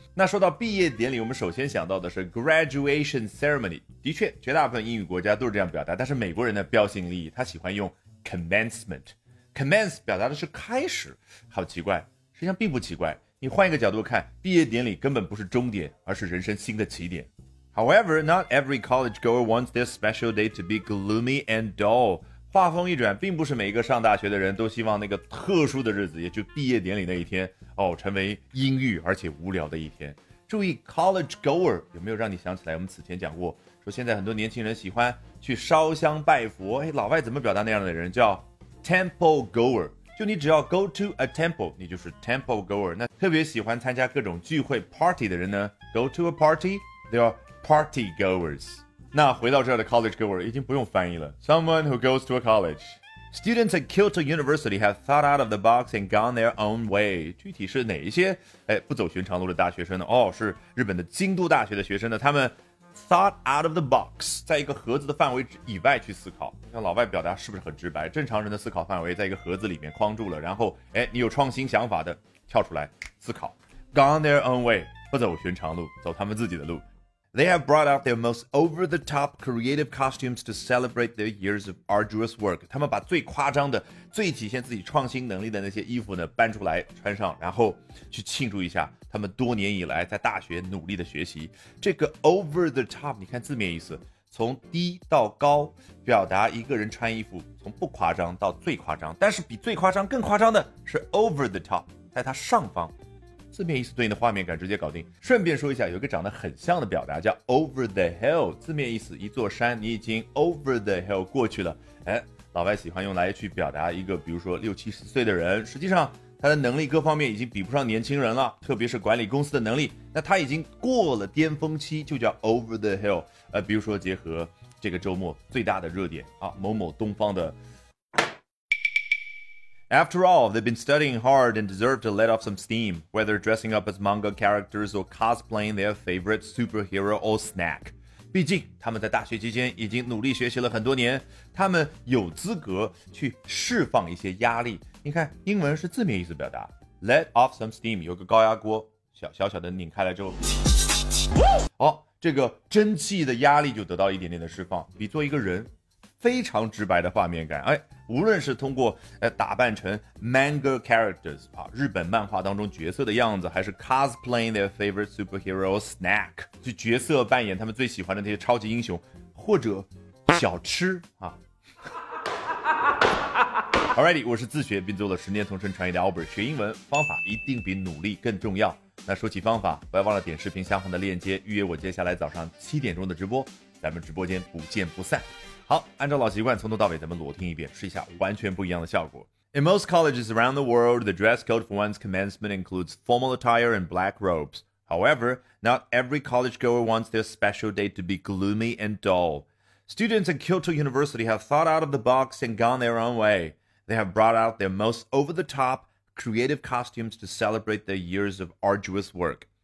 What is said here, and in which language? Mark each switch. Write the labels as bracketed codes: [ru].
[zh] 那说到毕业典礼，我们首先想到的是 [en] graduation ceremony， [zh] 的确绝大部分英语国家都是这样表达，但是美国人的标新立异，他喜欢用 commencement。 commence 表达的是开始，好奇怪，实际上并不奇怪，你换一个角度看，毕业典礼根本不是终点，而是人生新的起点。 [en] However, not every college goer wants their special day to be gloomy and dull. [zh] 话锋一转，并不是每一个上大学的人都希望那个特殊的日子，也就毕业典礼那一天，哦，成为阴郁而且无聊的一天。注意 college goer 有没有让你想起来我们此前讲过，说现在很多年轻人喜欢去烧香拜佛，哎，老外怎么表达那样的人，叫 temple goer。就你只要 [en] go to a temple， [zh] 你就是 temple goer。那特别喜欢参加各种聚会 party 的人呢， [en] go to a party， they areParty goers. [zh] 那回到这儿的 college goer 已经不用翻译了。 [en] Someone who goes to a college. Students at Kyoto University have thought out of the box and gone their own way. [zh] 具体是哪一些，哎，不走寻常路的大学生呢？哦，是日本的京都大学的学生呢。他们 [en] thought out of the box， [zh] 在一个盒子的范围以外去思考。像老外表达是不是很直白？正常人的思考范围在一个盒子里面框住了，然后，哎，你有创新想法的跳出来思考。 [en] Gone their own way， [zh] 不走寻常路，走他们自己的路。 [en] They have brought out their most over-the-top creative costumes to celebrate their years of arduous work. [zh] 他们把最夸张的、最体现自己创新能力的那些衣服呢搬出来穿上，然后去庆祝一下他们多年以来在大学努力的学习。这个 over-the-top， 你看字面意思，从低到高，表达一个人穿衣服从不夸张到最夸张，但是比最夸张更夸张的是 over-the-top， 在它上方。字面意思对应的画面感直接搞定。顺便说一下，有一个长得很像的表达叫 [en] over the hill， [zh] 字面意思一座山，你已经 over the hill 过去了。哎，老外喜欢用来去表达一个比如说六七十岁的人，实际上他的能力各方面已经比不上年轻人了，特别是管理公司的能力，那他已经过了巅峰期，就叫 [en] over the hill。 [zh] 比如说结合这个周末最大的热点啊，某某东方的。 [en] After all, they've been studying hard and deserve to let off some steam, whether dressing up as manga characters or cosplaying their favorite superhero or snack. [zh] 毕竟他们在大学期间已经努力学习了很多年，他们有资格去释放一些压力。你看，英文是字面意思表达 [en] let off some steam， [zh] 有个高压锅，小小小的拧开来之后，哦，这个蒸汽的压力就得到一点点的释放，比作一个人。非常直白的画面感，哎，无论是通过，打扮成 manga characters 啊，日本漫画当中角色的样子，还是 [en] cosplaying their favorite superhero snack， [zh] 就角色扮演他们最喜欢的那些超级英雄，或者小吃啊。 [en] Alrighty， [zh] 我是自学并做了十年同声传译的 Albert， 学英文方法一定比努力更重要。那说起方法，不要忘了点视频下方的链接预约我接下来早上7点钟的直播，咱们直播间不见不散。好，按照老习惯，从头到尾咱们裸听一遍，试一下完全不一样的效果。 [en] In most colleges around the world, the dress code for one's commencement includes formal attire and black robes. However, not every college goer wants their special day to be gloomy and dull. Students at Kyoto University have thought out of the box and gone their own way. They have brought out their most over-the-top creative costumes to celebrate their years of arduous work.